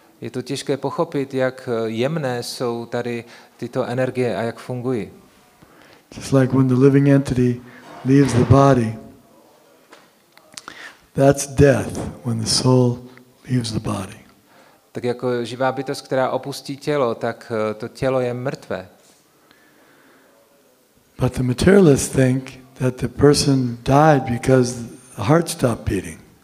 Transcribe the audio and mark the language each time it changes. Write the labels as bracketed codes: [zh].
[cs] Je to těžké pochopit, jak jemné jsou tady tyto energie a jak fungují. [en] Just like when the living entity leaves the body, that's death when the soul leaves the body. [cs] Tak jako živá bytost, která opustí tělo, tak to tělo je mrtvé. [en] But the materialists think that the person died because the heart stopped beating.